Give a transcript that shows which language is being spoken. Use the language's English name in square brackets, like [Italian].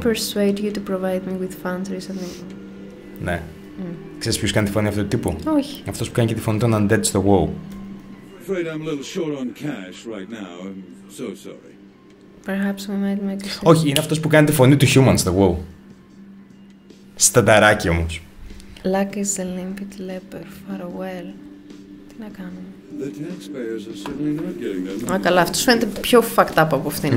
[English] Could I persuade you to provide me with funds recently? [Greek] Ναι. Ξέρεις ποιος κάνει τη φωνή αυτού του τύπου? Όχι. Αυτός που κάνει και τη φωνή των undead στο WoW. [English] I'm afraid I'm a little short on cash right now. I'm so sorry. Perhaps we might make a sense. [Greek] Όχι, είναι αυτός που κάνει τη φωνή του humans στο WoW. Στανταράκι όμως. [English] Luck is a limpid leper, far away. [Greek] Τι να κάνουμε. Α, καλά, αυτό φαίνεται πιο [English] fucked up [Greek] από αυτήν.